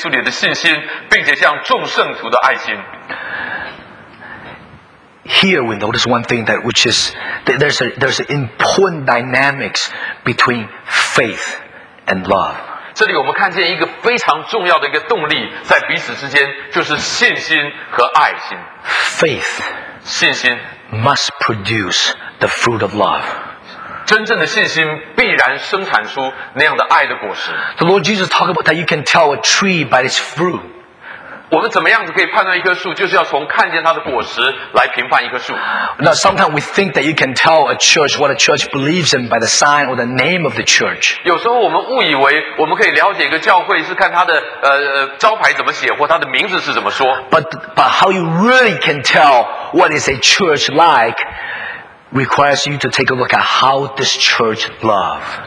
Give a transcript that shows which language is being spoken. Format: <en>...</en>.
<zh>第三节、第四节说到，我们感谢神，我们主耶稣基督的父常常为你们祷告，因为听见你们在基督耶稣里的信心，并且向众圣徒的爱心。</zh> <en>Here we notice one thing that which is there's an important dynamics between faith and love.</en> <zh>这里我们看见一个非常重要的一个动力在彼此之间，就是信心和爱心.</zh> <en>Faith,</en> <zh>信心,</zh> <en>must produce the fruit of love.</en> <zh>真正的信心必然生产出那样的爱的果实.</zh> <en>The Lord Jesus talked about that you can tell a tree by its fruit.</en> <zh>我们怎么样子可以判断一棵树，就是要从看见它的果实来评判一棵树。</zh> <en>Now sometimes we think that you can tell a church what a church believes in by the sign or the name of the church.</en> <zh>有时候我们误以为我们可以了解一个教会是看它的招牌怎么写，或它的名字是怎么说。</zh> <en>But how you really can tell what is a church like requires you to take a look at how this church loves.</en>